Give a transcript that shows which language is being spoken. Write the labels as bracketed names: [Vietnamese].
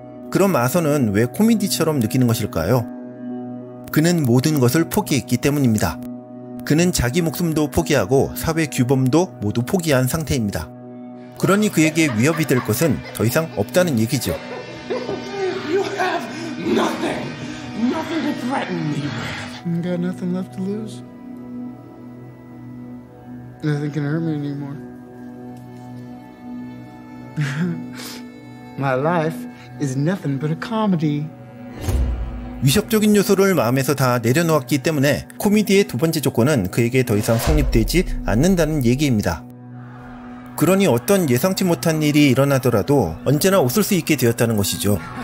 [Korean] 그럼 아서는 왜 코미디처럼 느끼는 것일까요? 그는 모든 것을 포기했기 때문입니다. 그는 자기 목숨도 포기하고 사회 규범도 모두 포기한 상태입니다. 그러니 그에게 위협이 될 것은 더 이상 없다는 얘기죠. [English] You have nothing. Nothing to threaten me with. I've got nothing left to lose. Nothing can hurt me anymore. My life is nothing but a comedy. [Korean] 위협적인 요소를 마음에서 다 내려놓았기 때문에 코미디의 두 번째 조건은 그에게 더 이상 성립되지 않는다는 얘기입니다. 그러니 어떤 예상치 못한 일이 일어나더라도 언제나 웃을 수 있게 되었다는 것이죠.